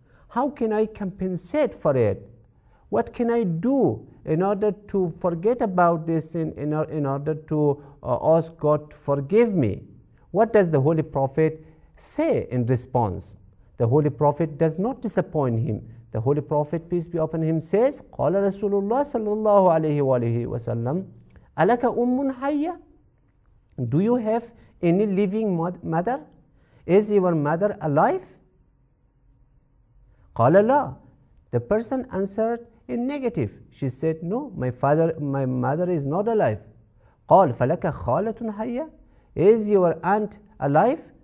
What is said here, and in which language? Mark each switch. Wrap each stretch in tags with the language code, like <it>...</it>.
<en>How can I compensate for it? What can I do in order to forget about this, in order to ask God to forgive me? What does the Holy Prophet say in response? The Holy Prophet does not disappoint him. The Holy Prophet, peace be upon him, says,</en> <ar>قَالَ رَسُولُ اللَّهِ صَلَّى اللَّهُ عَلَيْهِ وَعَلَيْهِ وَسَلَّمْ أَلَكَ أُمٌّ حَيَّةٌ.</ar> <en>Do you have any living mother? Is your mother alive?</en> <ar>قَالَ لَا.</ar> <en>The person answered in negative. She said, no, my mother is not alive.</en> <ar>قَالْ فَلَكَ خَالَةٌ حَيَّةٌ.</ar> <en>Is your aunt alive?</en>